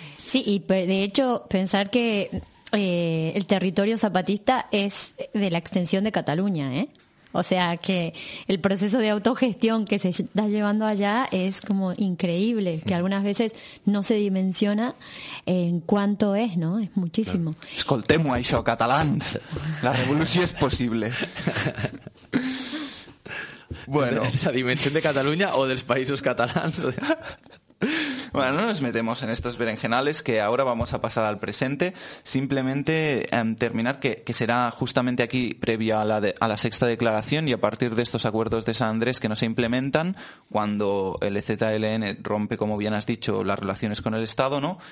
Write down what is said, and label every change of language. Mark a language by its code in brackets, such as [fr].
[es] Sí, y de hecho pensar que el territorio zapatista es de la extensión de Cataluña, ¿eh? O sea, que el proceso de autogestión que se está llevando allá es como increíble, que algunas veces no se dimensiona en cuánto es, ¿no? Es muchísimo. [ca] Escoltemo això, catalans. La revolució és possible. Bueno, la dimensió de Catalunya o dels països catalans. [es] Bueno, no nos metemos en estos berenjenales, que ahora vamos a pasar al presente. Simplemente terminar que será justamente aquí, previo a la sexta declaración y a partir de estos acuerdos de San Andrés que no se implementan, cuando el EZLN rompe, como bien has dicho, las relaciones con el Estado, ¿no?